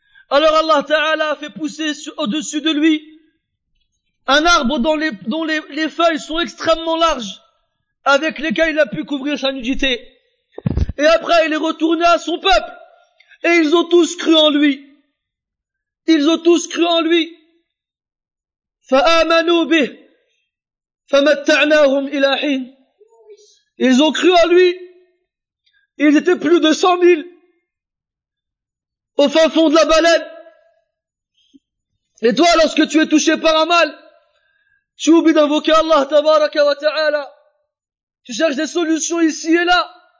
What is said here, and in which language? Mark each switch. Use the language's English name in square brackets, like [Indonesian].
[French] Alors Allah Ta'ala a fait pousser au-dessus de lui un arbre dont les feuilles sont extrêmement larges, avec lesquelles il a pu couvrir sa nudité. Et après il est retourné à son peuple et ils ont tous cru en lui. Ils ont tous cru en lui. [Arabic] فآمنوا به فمتعناهم إلى حين. [French] Ils ont cru en lui. Ils étaient plus de 100 000 au fin fond de la baleine. Et toi, lorsque tu es touché par un mal, Tu oublies d'invoquer Allah tabaraka wa ta'ala. Tu cherches des solutions ici et là.